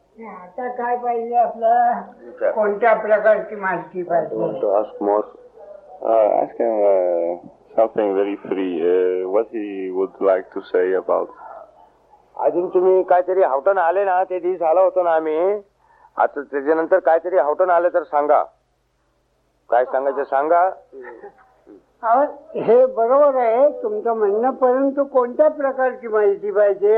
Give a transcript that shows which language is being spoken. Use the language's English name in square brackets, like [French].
[Marathi] आता काय पाहिजे आपलं, कोणत्या प्रकारची माहिती पाहिजे? [English] Something very free, what he would like to say about. [Marathi] अजून तुम्ही काहीतरी हावटन आले ना, ते दिवस आलो होतो ना आम्ही, आता त्याच्यानंतर काहीतरी हावटन आले तर सांगा, काय सांगायचं सांगा. हे बरोबर आहे तुमचं म्हणणं, परंतु कोणत्या प्रकारची माहिती पाहिजे?